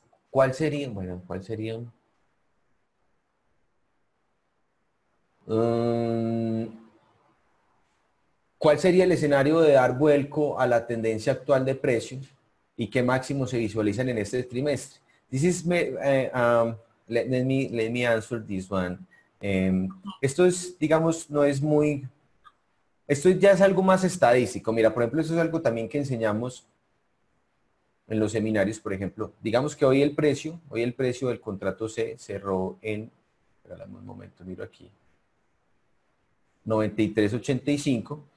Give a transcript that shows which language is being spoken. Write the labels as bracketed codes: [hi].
[es] ¿Cuál sería el escenario de dar vuelco a la tendencia actual de precios y qué máximos se visualizan en este trimestre? [en] This is me, let me answer this one. [es] Esto es, digamos, no es muy, esto ya es algo más estadístico. Mira, por ejemplo, esto es algo también que enseñamos en los seminarios. Por ejemplo, digamos que hoy el precio del contrato C cerró en, espérame un momento, miro aquí, 93.85.